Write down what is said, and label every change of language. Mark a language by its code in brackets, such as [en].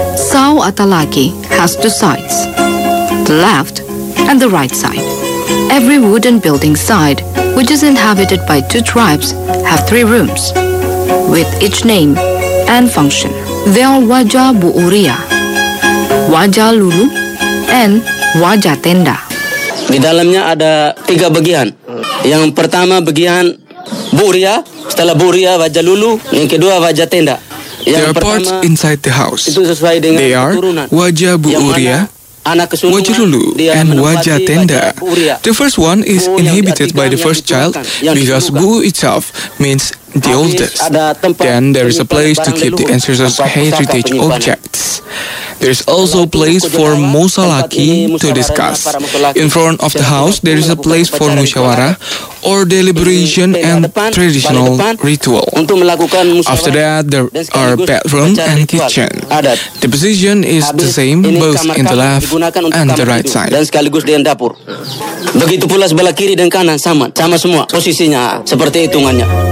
[en] Sao Atalaki has two sides, the left and the right side. Every wooden building side, which is inhabited by two tribes, have three rooms, with each name and function. They are Wajah Bu'uria, Wajah Lulu, and Wajah Tenda. [id] Di dalamnya ada tiga bagian. Yang pertama bagian Buria, setelah Buria Wajah Lulu, yang kedua Wajah Tenda. [en] There are parts inside the house. They are Wajah Buria, Wajah Lulu, and Wajah Tenda. The first one is inhabited by the first child because Bu itself means the oldest. Then there is a place to keep the ancestors' heritage objects. There is also a place for musalaki to discuss. In front of the house, there is a place for musyawarah or deliberation and traditional ritual. After that, there are bedroom and kitchen. The position is the same both in the left and the right side. [id] Dan sekaligus di dapur. Begitu pula sebelah kiri dan kanan sama, sama semua posisinya seperti hitungannya.